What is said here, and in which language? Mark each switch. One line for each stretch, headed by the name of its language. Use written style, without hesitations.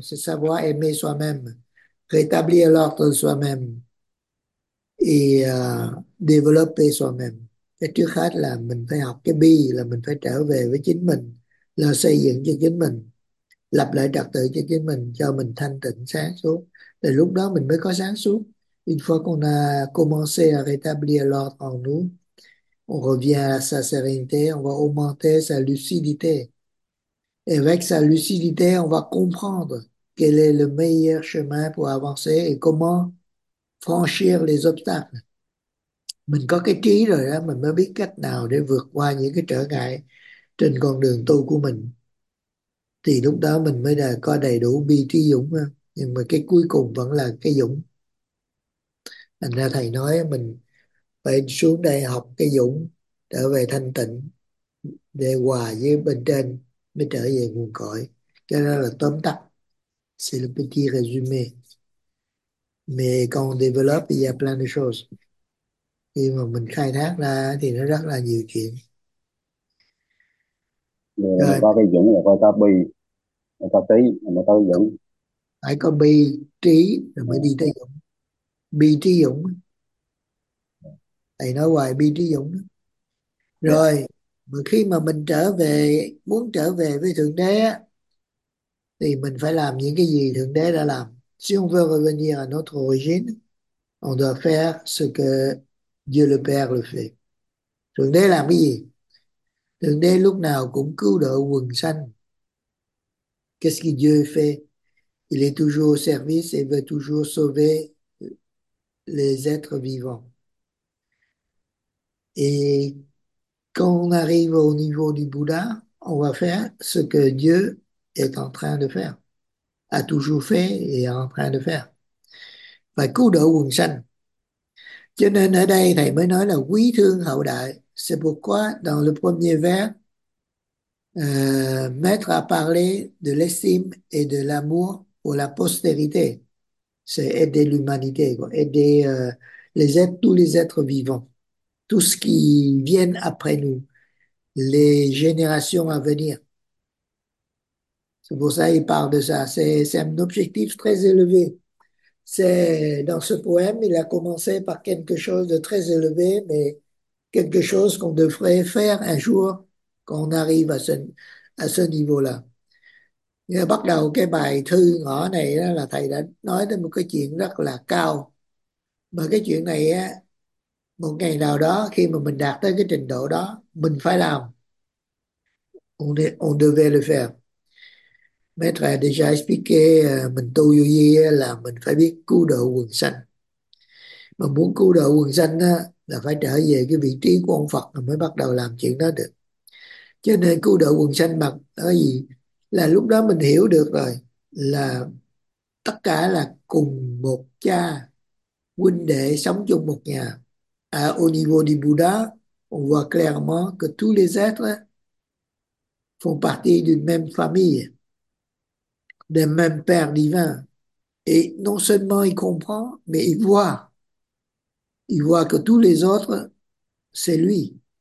French: C'est savoir aimer soi-même, rétablir l'ordre soi-même et développer soi-même.
Vietnamese: Cái trước hết là mình phải học cái bi, là mình phải trở về với chính mình, là xây dựng cho chính mình, lập lại trật tự cho chính mình, cho mình thanh tịnh sáng suốt. Thì lúc đó mình mới có sáng suốt.
French: Une fois qu'on a commencé à rétablir l'ordre en nous, on revient à sa sérénité, on va augmenter sa lucidité. Et avec sa lucidité, on va comprendre quel est le meilleur chemin pour avancer et comment franchir les obstacles.
Vietnamese: Mình có cái trí rồi đó, mình mới biết cách nào để vượt qua những cái trở ngại trên con đường tu của mình. Thì lúc đó mình mới là có đầy đủ bi trí dũng đó. Nhưng mà cái cuối cùng vẫn là cái dũng. Thành ra thầy nói mình phải xuống đây học cái dũng, trở về thanh tịnh để hòa với bên trên mới trở về nguồn cội. Cái đó là tóm tắt,
French: c'est le petit résumé. Mais quand on développe, il y a plein de choses.
Vietnamese: Khi mà mình khai thác ra thì nó rất là nhiều chuyện. Rồi. Có cái dũng là phải có bi, phải có trí mới Phải có bi trí rồi mới đi có tới dũng. Bi trí dũng. Thầy nói hoài bi trí dũng. Rồi. Mà khi mà mình trở về, muốn trở về với Thượng Đế á, thì mình phải làm những cái gì Thượng Đế đã làm.
French: Si on veut revenir à notre origine, on doit faire ce que Dieu le Père le fait.
Vietnamese: Thượng Đế làm cái gì? Thượng Đế lúc nào cũng cứu độ quần sanh.
French: Qu'est-ce que Dieu fait? Il est toujours au service et veut toujours sauver les êtres vivants. Et quand on arrive au niveau du Bouddha, on va faire ce que Dieu est en train de faire, a toujours fait et est en train de faire.
Vietnamese: Và cứu độ quần sanh. Cho nên ở đây thầy mới nói là quý thương hậu đại.
French: C'est pourquoi dans le premier vers, maître a parlé de l'estime et de l'amour pour la postérité. C'est aider l'humanité, aider tous les êtres vivants, tout ce qui vient après nous, les générations à venir. C'est pour ça qu'il parle de ça. C'est un objectif très élevé. C'est dans ce poème, il a commencé par quelque chose de très élevé, mais quelque chose qu'on devrait faire un jour quand on arrive à ce niveau-là.
Vietnamese: Bắt đầu cái bài thư ngõ này đó là thầy đã nói đến một cái chuyện rất là cao. Mà cái chuyện này á, một ngày nào đó khi mà mình đạt tới cái trình độ đó, mình phải làm.
French: On devait le faire. Maître a déjà expliqué,
Vietnamese: mình tu yogi là mình phải biết cứu độ quần sanh. Mà muốn cứu độ quần sanh á, là phải trở về cái vị trí của ông Phật mới bắt đầu làm chuyện đó được. Cho nên cứu độ quần sanh mặc ở gì? Là lúc đó mình hiểu được rồi là tất cả là cùng một cha huynh đệ sống chung một nhà.
French: À, au niveau du Bouddha, on voit clairement que tous les êtres font partie d'une même famille, d'un même père divin. Et non seulement il comprend, mais il voit. Il voit que tous les autres, c'est lui.